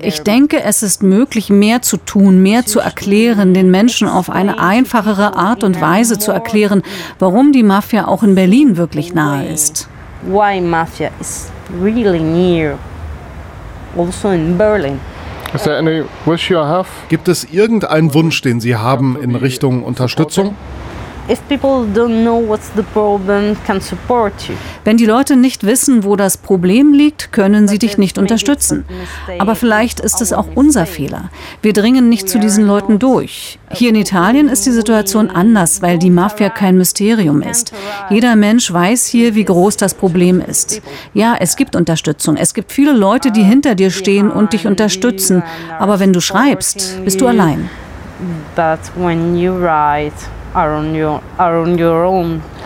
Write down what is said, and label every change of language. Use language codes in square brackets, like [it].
[de] Ich denke, es ist möglich, mehr zu tun, mehr zu erklären, den Menschen auf eine einfachere Art und Weise zu erklären, warum die Mafia auch in Berlin wirklich nahe ist. [en] Why Mafia is really near, also in Berlin. Is there any wish you have? [de] Gibt es irgendeinen Wunsch, den Sie haben in Richtung Unterstützung? [en] If people don't know what's the problem, can support you. [de] Wenn die Leute nicht wissen, wo das Problem liegt, können sie dich nicht unterstützen. Aber vielleicht ist es auch unser Fehler. Wir dringen nicht zu diesen Leuten durch. Hier in Italien ist die Situation anders, weil die Mafia kein Mysterium ist. Jeder Mensch weiß hier, wie groß das Problem ist. Ja, es gibt Unterstützung. Es gibt viele Leute, die hinter dir stehen und dich unterstützen. Aber wenn du schreibst, bist du allein. [en] But when you write, are on your own.